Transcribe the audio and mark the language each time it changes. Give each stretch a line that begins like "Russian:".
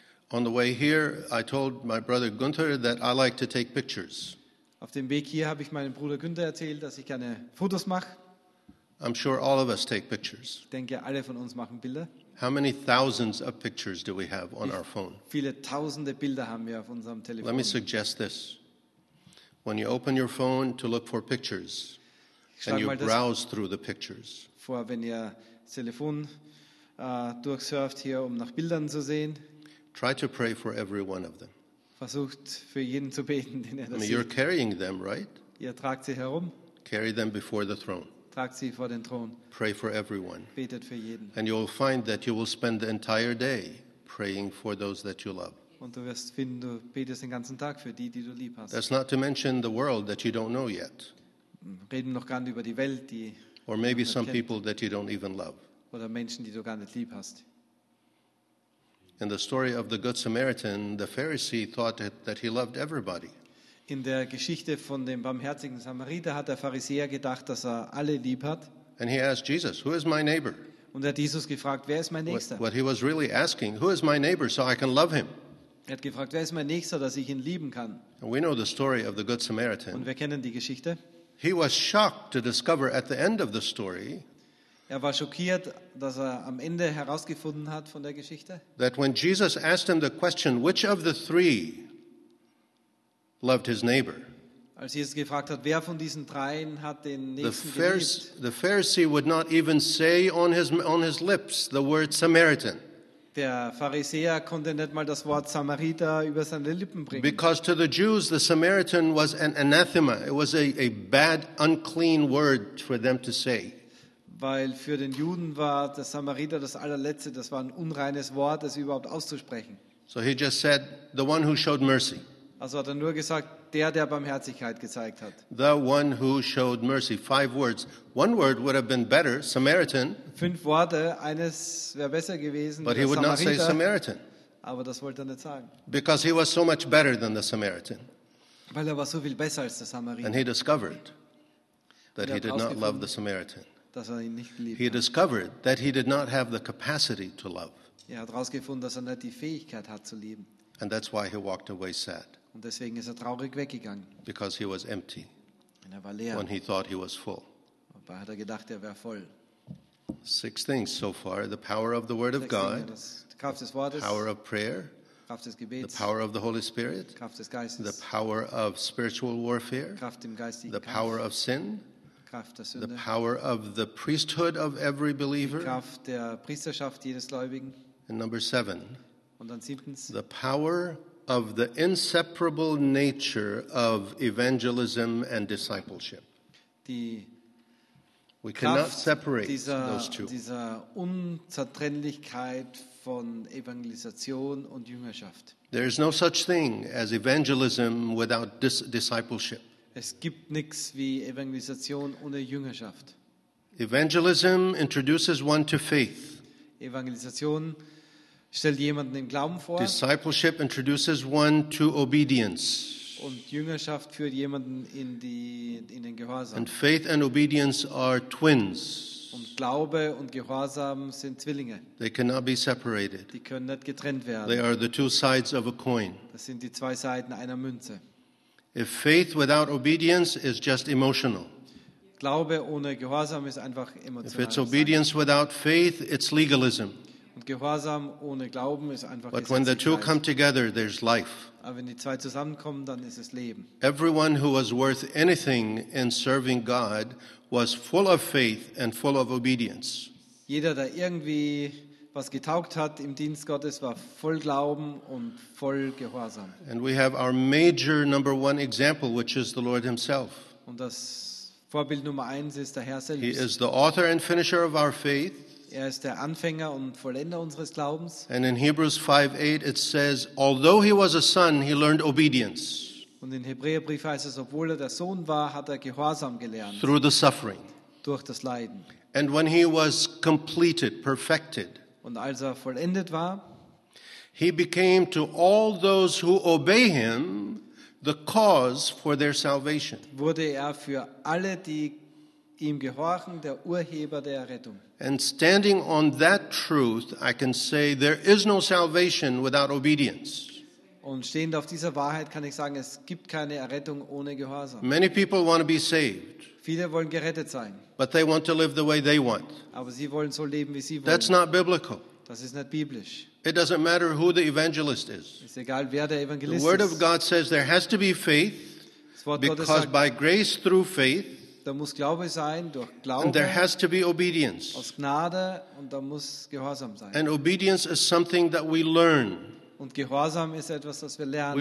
English: On the way here, I told my brother Gunther that I like to take pictures.
German: Auf dem Weg hier habe ich meinem Bruder Gunther erzählt, dass ich gerne Fotos mache.
English: I'm sure all of us take pictures.
German: Ich denke, alle von uns machen Bilder.
English: How many thousands of pictures do we have on our phone?
German: Viele tausende Bilder haben wir auf unserem Telefon.
English: Let me suggest this. When you open your phone to look for pictures, and you browse through the pictures.
German: Vor, wenn ihr das Telefon durchsurft hier, um nach Bildern zu sehen.
English: Try to pray for every one of them.
German: Versucht für jeden zu beten, den ihr das sieht.
English: You're carrying them, right?
German: Ihr tragt sie herum.
English: Carry them before the throne.
German: Tragt sie vor den Thron.
English: Pray for everyone.
German: Betet für jeden.
English: And you will find that you will spend the entire day praying for those that you love.
German: Und du wirst finden, du betest den ganzen Tag für die, die du lieb hast.
English: That's not to mention the world that you don't know yet.
German: Reden noch gar nicht über die Welt, die
English: Or maybe some people that you don't even love.
German: Oder Menschen, die du gar nicht lieb hast.
English: In the story of the Good Samaritan, the Pharisee thought that he loved everybody.
German: In der Geschichte von dem barmherzigen Samariter hat der Pharisäer gedacht, dass er alle lieb hat.
English: And he asked Jesus, "Who is my neighbor?"
German: Und er hat Jesus gefragt, wer ist mein Nächster?
English: What he was really asking, "Who is my neighbor, so I can love him?"
German: Er hat gefragt, wer ist mein Nächster, dass ich ihn lieben kann?
English: And we know the story of the Good Samaritan.
German: Und wir kennen die Geschichte.
English: He was shocked to discover at the end of the story.
German: Er war schockiert, dass er am Ende herausgefunden hat von der Geschichte.
English: That when Jesus asked him the question, which of the three loved his neighbor?
German: Als Jesus gefragt hat, wer von diesen dreien hat den nächsten geliebt?
English: The Pharisee would not even say on his lips the word Samaritan.
German: Der Pharisäer konnte nicht mal das Wort Samariter über seine Lippen bringen.
English: Because to the Jews, the Samaritan was an anathema. It was a bad, unclean word for them to say.
German: Weil für den Juden war der Samariter das allerletzte. Das war ein unreines Wort, das überhaupt auszusprechen.
English: So he just said, the one who showed mercy.
German: Also hat er nur gesagt, der Barmherzigkeit gezeigt hat.
English: The one who showed mercy. Five words. One word would have been better, Samaritan.
German: Fünf Worte, eines wäre besser gewesen.
English: But he would
German: Samariter,
English: not say Samaritan.
German: Aber das wollte er nicht sagen.
English: Because he was so much better than the Samaritan.
German: Weil er war so viel besser als der Samariter.
English: And he discovered that he did not love the Samaritan.
German: Dass er ihn nicht geliebt
English: he
German: hat.
English: Discovered that he did not have the capacity to love.
German: Er hat herausgefunden, dass er nicht die Fähigkeit hat zu lieben.
English: And that's why he walked away sad.
German: Und deswegen ist er traurig weggegangen.
English: Because he was empty.
German: Und er war leer.
English: When he thought he was full.
German: Aber hat er gedacht, er wäre voll.
English: Six things so far: the power of the Word of God, the power of prayer,
German: Kraft des Gebets,
English: the power of the Holy Spirit,
German: Kraft des Geistes,
English: the power of spiritual warfare,
German: Kraft im geistigen
English: the power
German: Kampf,
English: of sin,
German: Kraft der Sünde,
English: the power of the priesthood of every believer,
German: die Kraft der Priesterschaft jedes Gläubigen.
English: And number seven,
German: und dann siebtens,
English: the power of the inseparable nature of evangelism and discipleship.
German: Die
English: We cannot separate
German: dieser,
English: those two.
German: Dieser Unzertrennlichkeit von Evangelisation und Jüngerschaft.
English: There is no such thing as evangelism without discipleship.
German: Es gibt nichts wie Evangelisation ohne Jüngerschaft.
English: Evangelism introduces one to faith.
German: Evangelisation stellt jemanden im Glauben vor.
English: Discipleship introduces one to obedience.
German: Und Jüngerschaft führt jemanden in den Gehorsam.
English: And faith and obedience are twins.
German: Und Glaube und Gehorsam sind Zwillinge.
English: They cannot be separated.
German: Die können nicht getrennt werden.
English: They are the two sides of a coin.
German: Das sind die zwei Seiten einer Münze.
English: If faith without obedience is just emotional.
German: Glaube ohne Gehorsam ist einfach emotional.
English: If it's obedience without faith, it's legalism.
German: Und Gehorsam ohne Glauben ist einfach
English: But when the two come together, there's life.
German: Aber wenn die zwei zusammenkommen, dann ist es Leben.
English: Everyone who was worth anything in serving God was full of faith and full of obedience.
German: Jeder, der irgendwie was getaugt hat im Dienst Gottes, war voll Glauben und voll Gehorsam.
English: And we have our major number one example, which is the Lord himself.
German: Und das Vorbild Nummer eins ist der Herr selbst.
English: He is the author and finisher of our faith.
German: Er ist der Anfänger und Vollender unseres Glaubens.
English: And in Hebrews 5:8 it says, although he was a son, he learned obedience.
German: Und in Hebräerbrief heißt es, obwohl er der Sohn war, hat er Gehorsam gelernt.
English: Through the suffering.
German: Durch das Leiden.
English: And when he was completed, perfected.
German: Und als er vollendet war,
English: he became to all those who obey him the cause for their salvation.
German: Wurde er für alle, die ihm gehorchen, der Urheber der Errettung.
English: And standing on that truth, I can say there is no salvation without obedience.
German: Und stehend auf dieser Wahrheit kann ich sagen, es gibt keine Errettung ohne Gehorsam.
English: Many people want to be saved.
German: Viele wollen gerettet sein.
English: But they want to live the way they want.
German: Aber sie wollen so leben, wie sie wollen.
English: That's not biblical.
German: Das ist nicht biblisch.
English: It doesn't matter who the evangelist is.
German: Ist egal, wer der Evangelist ist.
English: The word of God says there has to be faith, because by grace through faith.
German: Da muss Glaube sein durch Glauben.
English: And there has to be obedience.
German: Aus Gnade, und da muss Gehorsam sein.
English: And obedience is something that we learn.
German: Und Gehorsam ist etwas, das wir lernen.